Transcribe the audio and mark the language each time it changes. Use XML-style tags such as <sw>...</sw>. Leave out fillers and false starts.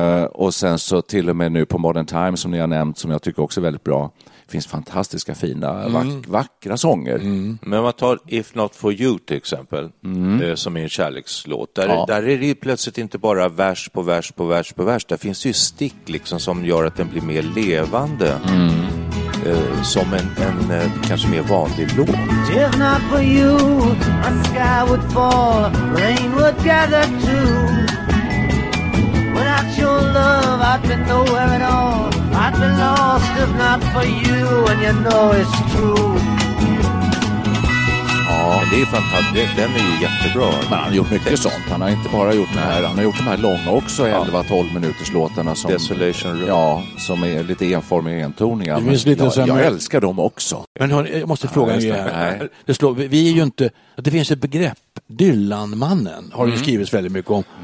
<sv>Och sen så till och med nu på Modern Times som ni har nämnt, som jag tycker också är väldigt bra, finns fantastiska, fina, vackra sånger. Men man tar If Not For You till exempel, som är en kärlekslåt där, där är det ju plötsligt inte bara vers på vers på vers på vers. Där finns det ju stick liksom som gör att den blir mer levande, som en kanske mer vanlig låt.</sv> <en>If not for you, a sky would fall, rain would gather too. Without your love, I'd be nowhere at all. I'd be lost if not for you, and you know it's true.</en> <sv>Det är fantastiskt, den är ju jättebra. Men han har gjort mycket sånt, han har inte bara gjort det här. Han har gjort de här långa också, 11-12 minuters låtarna som, Desolation Room. Ja, som är lite enformiga, entoniga. Jag älskar dem också. Men jag måste fråga en grej. Vi är ju inte, det finns ett begrepp, Dylan-mannen har ju skrivits väldigt mycket om.</sv>